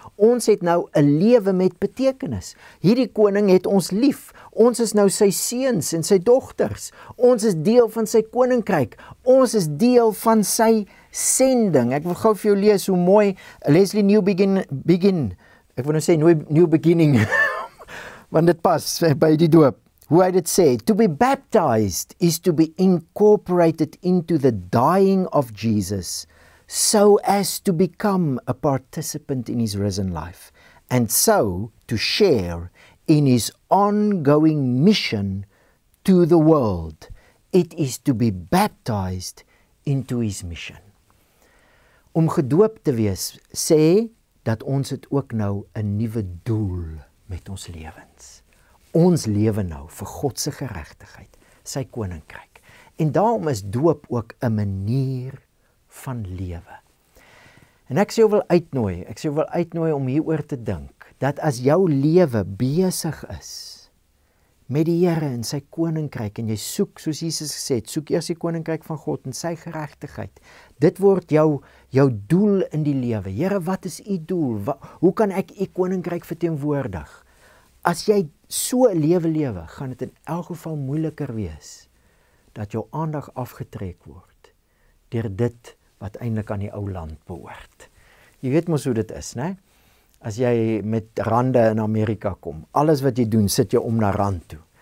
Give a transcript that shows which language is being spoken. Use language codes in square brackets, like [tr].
[af] Ons het nou 'n lewe met betekenis. Hierdie koning het ons lief. Ons is nou sy seuns en sy dogters. Ons is deel van sy koninkryk. Ons is deel van sy sending. Ek wil gou vir jou lees hoe mooi Leslie New Begin. Ek wil nou sê new beginning. Want dit pas by die doop. Hoe hy dit sê, [en] to be baptized is to be incorporated into the dying of Jesus so as to become a participant in his risen life and so to share in his ongoing mission to the world. It is to be baptized into his mission. [af] Om gedoop te wees, sê dat ons het ook nou 'n nuwe doel met ons lewens. Ons lewe nou vir God se geregtigheid, sy koninkryk. En daarom is doop ook 'n manier van lewe. En ek sê jou wil uitnooi, om hieroor te dink, dat as jou lewe besig is met die Here en sy koninkryk en jy soek, soos Jesus gesê het, soek eers die koninkryk van God en sy geregtigheid. Dit word jou doel in die lewe. Here, wat is u doel? Hoe kan ek u koninkryk verteenwoordig? As jy so 'n lewe, gaan dit in elk geval moeiliker wees dat jou aandag afgetrek word deur dit wat eintlik aan die ou land behoort. Jy weet mos hoe dit is, né? As jy met rande in Amerika kom, alles wat jy doen, sit jy om na rand toe.